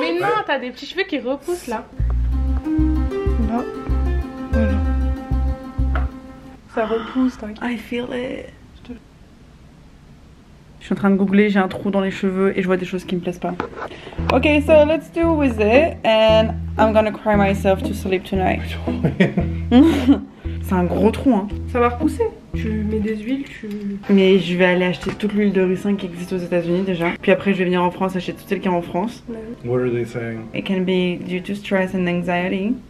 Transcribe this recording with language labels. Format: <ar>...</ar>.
<fr>Mais non, t'as des petits cheveux qui repoussent là. Non. Voilà. Ça repousse, t'inquiète.</fr> <en>I feel it.</en> <fr>Je suis en train de googler, j'ai un trou dans les cheveux et je vois des choses qui me plaisent pas.</fr> <en>Ok, so let's do with it and I'm gonna cry myself to sleep tonight.</en> <fr>C'est un gros trou hein. Ça va repousser. Tu mets des huiles, tu... Mais je vais aller acheter toute l'huile de ricin qui existe aux États-Unis déjà. Puis après je vais venir en France acheter toutes celles qui sont en France.</fr> <en>What are they saying? It can be due to stress and anxiety.</en>